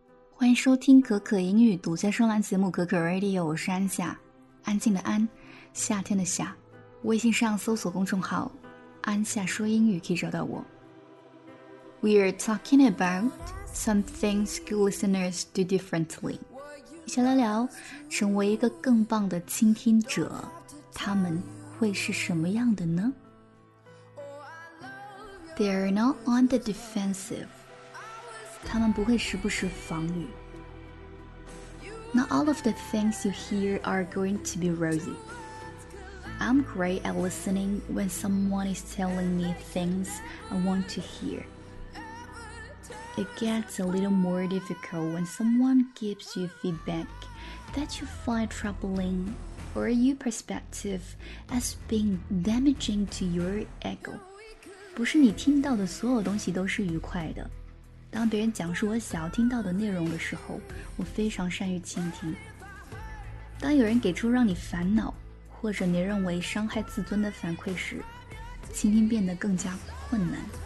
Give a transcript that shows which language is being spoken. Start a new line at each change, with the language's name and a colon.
Chinese: 欢迎收听可可英语独家专栏节目《可可 Radio》，我是安夏，安静的安，夏天的夏。微信上搜索公众号“安夏说英语”可以找到我。
English: We are talking about something school listeners do differently。
Chinese: 一起来聊，成为一个更棒的倾听者，他们会是什么样的呢？
English: They are not on the defensive。
Chinese: 他们不会时不时防御。
English: Not all of the things you hear are going to be rosy. I'm great at listening when someone is telling me things I want to hear. It gets a little more difficult when someone gives you feedback that you find troubling or your perspective as being damaging to your ego.
Chinese: 不是你听到的所有东西都是愉快的。当别人讲述我想要听到的内容的时候，我非常善于倾听。当有人给出让你烦恼或者你认为伤害自尊的反馈时，倾听变得更加困难。